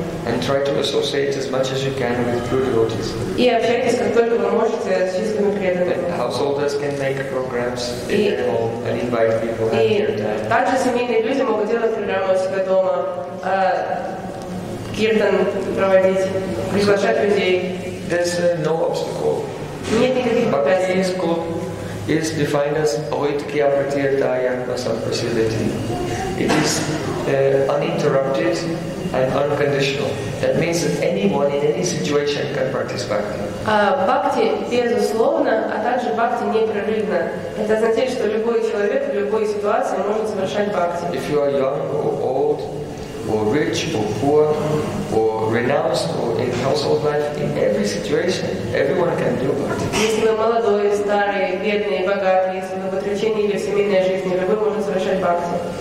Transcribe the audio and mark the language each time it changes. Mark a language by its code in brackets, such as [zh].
[en] And try to associate as much as you can with pure devotees. Yeah, practice [ru] как только вы можете с чистыми преданными. [en] Householders can make programs in their home and invite people. [ru] И также семейные люди могут делать программы у себя дома, киртан проводить, приглашать людей. [en] There's no obstacle. [ru] Нет никаких препятствий. [en] Bhakti is defined as oitkya pratyataya masamprasidati. It is uninterrupted and unconditional. That means that anyone in any situation can practice bhakti. [ru] Bhakti безусловно, а также bhakti непрерывно. Это означает, что любой человек в любой ситуации может совершать bhakti. [en] If you are young or old, or rich or poor, or renounced or in household life, in every situation, everyone can do bhakti. [ru] Если вы молодой, старый, бедный, богатый, если вы в отречении или в семейной жизни, любой может совершать bhakti.